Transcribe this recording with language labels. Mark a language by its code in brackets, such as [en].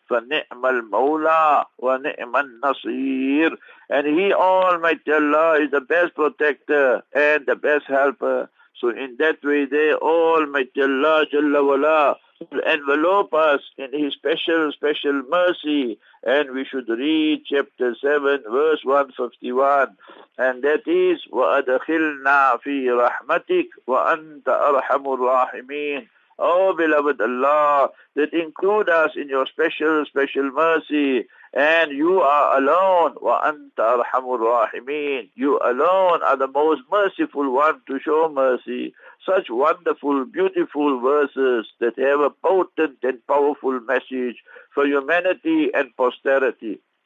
[ar] فَنِعْمَ الْمَوْلَىٰ وَنِعْمَ النَّصِيرُ. [en] And He, Almighty Allah, is the best protector and the best helper. So in that way there, Almighty Allah Jalla Wala will envelope us in His special mercy. And we should read chapter 7, verse 151. And that is, [ar] وَأَدْخِلْنَا فِي رَحْمَتِكَ وَأَنْتَ أَرْحَمُ الرَّاحِمِينَ. [en] Oh, beloved Allah, that include us in your special mercy, and you are alone, [ar] wa anta arhamur rahimin. [en] You alone are the most merciful one to show mercy. Such wonderful, beautiful verses that have a potent and powerful message for humanity and posterity.